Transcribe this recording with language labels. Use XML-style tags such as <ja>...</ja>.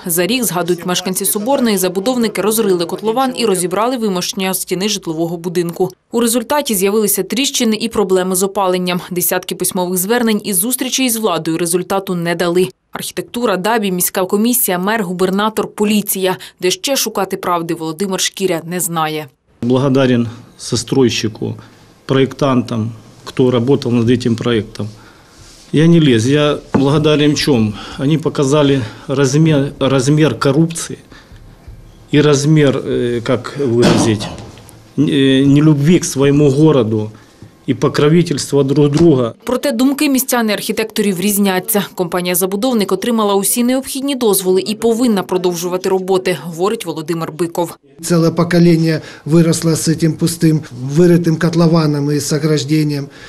<uk>За рік, згадують мешканці соборної, забудовники розрили котлован і розібрали вимощення стіни житлового будинку. У результаті з'явилися тріщини і проблеми з опаленням. Десятки письмових звернень і зустрічей з владою результату не дали. Архітектура, ДАБІ, міська комісія, мер, губернатор, поліція. Де ще шукати правди, Володимир Шкіря не знає.</uk> <ru>Благодарен застройщику, проєктантам, кто работал над этим проектом. Я не лез, я благодарен чем? Они показали размер коррупции и размер, как выразить, нелюбви к своему городу і покровительства друг друга.</ru> <uk>Проте думки містян і архітекторів різняться. Компанія-забудовник отримала усі необхідні дозволи і повинна продовжувати роботи, говорить Володимир Биков. Ціле покоління виросло з цим пустим виритим котлованом і заграждінням.</uk>